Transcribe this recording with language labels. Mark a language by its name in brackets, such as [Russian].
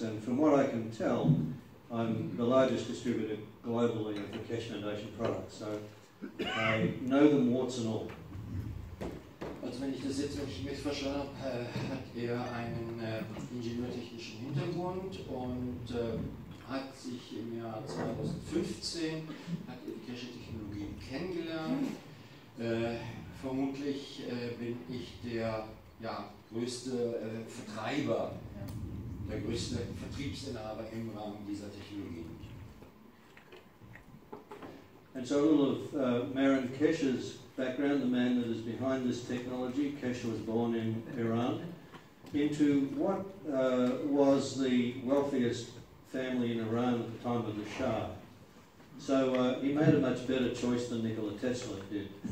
[English] And from what I can tell, I'm the largest distributor globally of the Keshe Foundation products. So I know them warts and all. [German] Also wenn ich das jetzt mitverstanden habe, hat er einen ingenieurtechnischen Hintergrund und hat sich im Jahr 2015 hat er die Keshe-Technologien kennengelernt. Vermutlich bin ich der größte Vertriebsinhaber im Rahmen dieser Technologien. [English] And so a little of Maren Keshe's background, the man that is behind this technology. Keshe was born in Iran into what was the wealthiest family in Iran at the time of the Shah. So he made a much better choice than Nikola Tesla did.